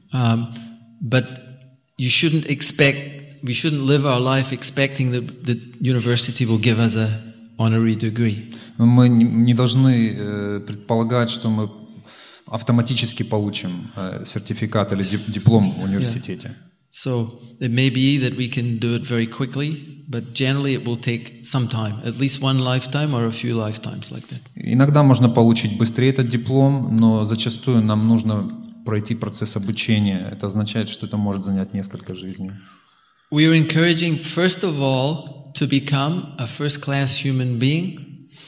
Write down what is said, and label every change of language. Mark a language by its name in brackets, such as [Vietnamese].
[English] But you shouldn't expect, we shouldn't live our life expecting that the university will give us a honorary degree. [Russian] Мы не должны предполагать, что мы автоматически получим сертификат или диплом в университете. [English] So it may be that we can do it very quickly, but generally it will take some time, at least one lifetime or a few lifetimes like that. [Russian] Иногда можно получить быстрее этот диплом, но зачастую нам нужно пройти процесс обучения. Это означает, что это может занять несколько жизней. [English] We are encouraging, first of all, to become a first-class human being.